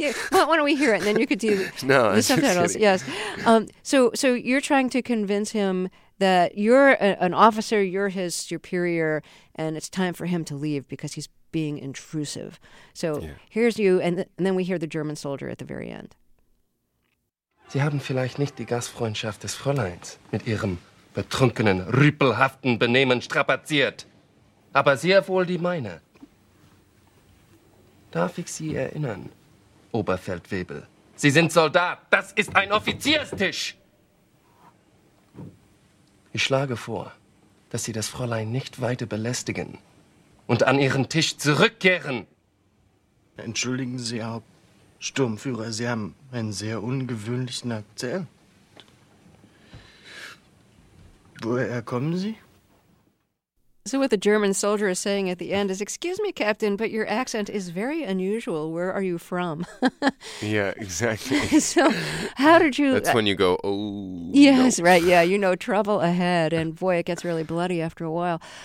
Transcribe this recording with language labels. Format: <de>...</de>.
<en>Why don't we hear it and then you could do the subtitles. Yes. So you're trying to convince him that you're an officer, you're his superior, and it's time for him to leave because he's being intrusive. So here's you, and then we hear the German soldier at the very end.</en> <de>Sie haben vielleicht nicht die Gastfreundschaft des Fräuleins mit ihrem betrunkenen, rüpelhaften Benehmen strapaziert, aber sehr wohl die meine. Darf ich Sie erinnern, Oberfeldwebel? Sie sind Soldat, das ist ein Offizierstisch! Ich schlage vor, dass Sie das Fräulein nicht weiter belästigen und an Ihren Tisch zurückkehren. Entschuldigen Sie, Herr Sturmführer, Sie haben einen sehr ungewöhnlichen Akzent. Woher kommen Sie?</de> <en>So what the German soldier is saying at the end is, excuse me, Captain, but your accent is very unusual. Where are you from? Yeah, exactly. So how did you... That's when you go, oh, yes, no. Right. Yeah, you know, trouble ahead. And boy, it gets really bloody after a while.</en>